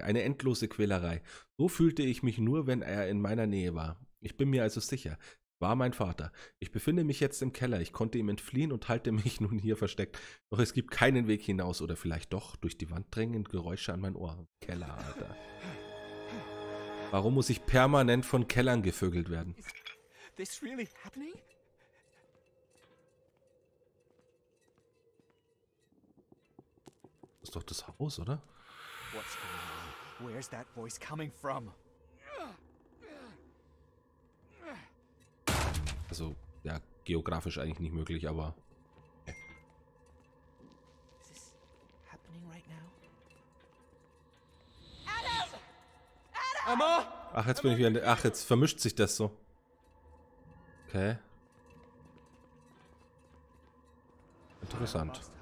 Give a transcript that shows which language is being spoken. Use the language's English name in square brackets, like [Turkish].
[German] Eine endlose Quälerei. So fühlte ich mich nur, wenn er in meiner Nähe war. Ich bin mir also sicher. War mein Vater. Ich befinde mich jetzt im Keller. Ich konnte ihm entfliehen und halte mich nun hier versteckt. Doch es gibt keinen Weg hinaus oder vielleicht doch durch die Wand drängen Geräusche an mein Ohr. Keller, Alter. Warum muss ich permanent von Kellern gevögelt werden? [English] Is this really happening? [German] Das ist doch das Haus, oder? [English] What's going on? Where's that voice coming from? [German] Also, ja, geografisch eigentlich nicht möglich, aber... [English] Is this happening right now? Adam! Adam! Emma! [German] Ach, jetzt bin ich wieder... Ach, jetzt vermischt sich das so. Okay. Interessant.